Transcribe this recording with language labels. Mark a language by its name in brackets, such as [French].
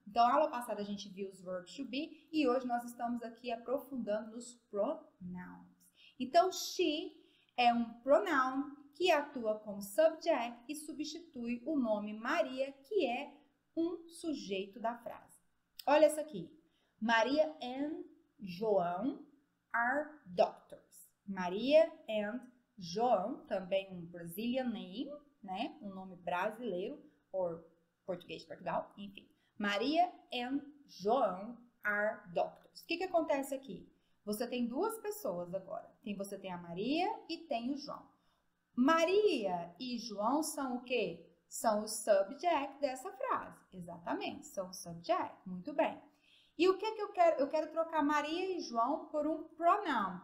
[Portuguese] Então, aula passada a gente viu os verbs to be e hoje nós estamos aqui aprofundando nos pronouns. Então, she é um pronoun que atua como subject e substitui o nome Maria, que é um sujeito da frase. Olha isso aqui. [English] Maria and João are doctors. [Portuguese] Maria and João, também um [English] Brazilian name, [Portuguese] né? Um nome brasileiro, ou português de Portugal, enfim. [English] Maria and João are doctors. [Portuguese] O que que acontece aqui? Você tem duas pessoas agora. Você tem a Maria e tem o João. Maria e João são o quê? São o subject dessa frase. Exatamente, são o subject. Muito bem. E o que que eu quero? Eu quero trocar Maria e João por um pronoun.